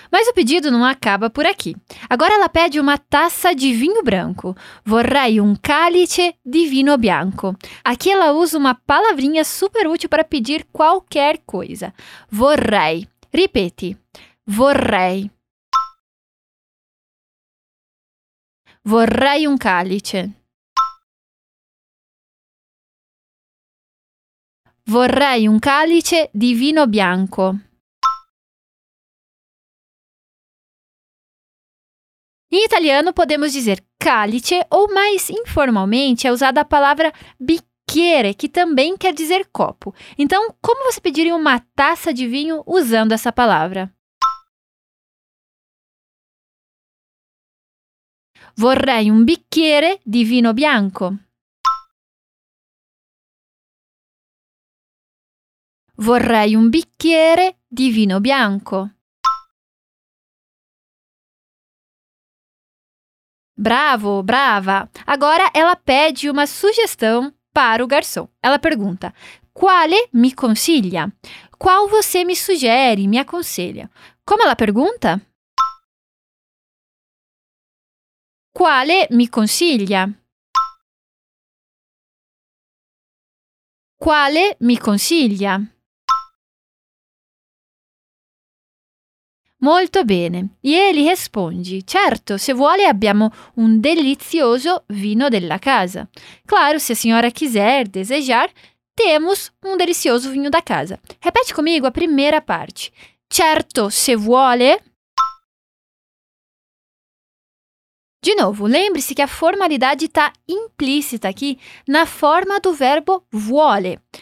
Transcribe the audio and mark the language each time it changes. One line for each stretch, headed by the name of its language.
Portuguese: Mas o pedido não acaba por aqui. Agora ela pede uma taça de vinho branco.
Italian: Vorrei un calice di vino bianco.
Portuguese: Aqui ela usa uma palavrinha super útil para pedir qualquer coisa.
Italian: Vorrei. Ripeti. Vorrei. Vorrei un calice. Vorrei un calice di vino bianco. In italiano
Portuguese: podemos dizer calice, ou mais informalmente é usada a palavra bicchiere, que também quer dizer copo. Então, como você pediria uma taça de vinho usando essa palavra?
Italian: Vorrei un bicchiere di vino bianco. Vorrei un bicchiere di vino bianco. Bravo, brava!
Portuguese: Agora ela pede uma sugestão para o garçom. Ela pergunta:
Italian: quale mi consiglia?
Portuguese: Qual você me sugere, me aconselha? Como ela pergunta?
Italian: Quale mi consiglia? Quale mi consiglia? Molto bene.
Portuguese: E ele responde:
Italian: certo, se vuole abbiamo un delizioso vino della casa.
Portuguese: Claro, se a senhora quiser, desejar, temos
Italian: un delizioso
Portuguese: vinho da casa. Repete comigo a primeira parte.
Italian: Certo, se vuole.
Portuguese: De novo, lembre-se que a formalidade está implícita aqui na forma do verbo vuole.